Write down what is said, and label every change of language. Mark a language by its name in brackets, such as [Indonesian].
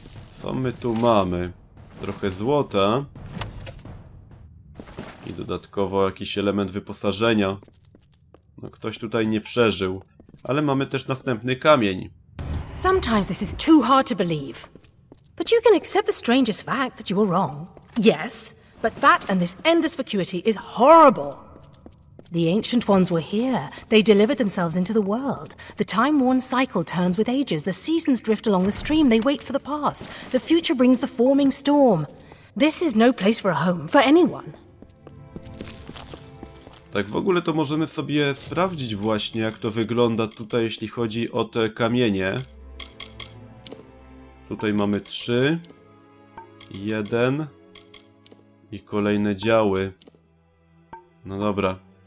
[Polish] Co my tu mamy? Trochę złota. I dodatkowo jakiś element wyposażenia. No ktoś tutaj nie przeżył. Ale mamy też następny kamień. [English] Sometimes this is too hard to believe. But you can accept the strangest fact that you were wrong. Yes, but that and this endless vacuity is horrible. The ancient ones were here. They delivered themselves into the world. The time-worn cycle turns with ages. The seasons drift along the stream. They wait for the past. The future brings the forming storm. This is no place for a home for anyone. [Polish] Tak w ogóle to możemy sobie sprawdzić właśnie, jak to wygląda tutaj, jeśli chodzi o te kamienie. Tutaj mamy 3, 1 i kolejne działy. No dobra.